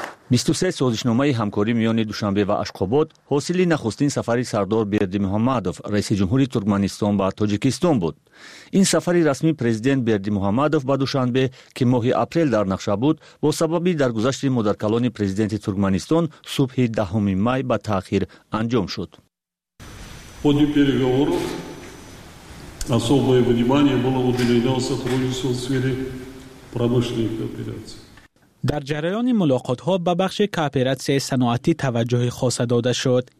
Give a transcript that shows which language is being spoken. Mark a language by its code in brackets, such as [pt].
[fa] 23 سازشنامه همکاری میان دوشنبه و اشکاباد حاصل نخستین سفری سردار بردی محمدوف رئیس جمهوری ترکمنستان به تاجیکستان بود. این سفری رسمی پرزیدنت بردی محمدوف به دوشنبه که ماه اپریل در نقشه بود با سببی درگذشت مادرکلان پرزیدنت ترکمنستان صبح 10 می به تاخیر انجام شد. [ru] ходе переговоров особое внимание было уделено сотрудничеству в сфере промышленных кооперации. [fa] در جریان ملاقات‌ها به بخش کوپراتیو صنعتی توجه خاص داده شد.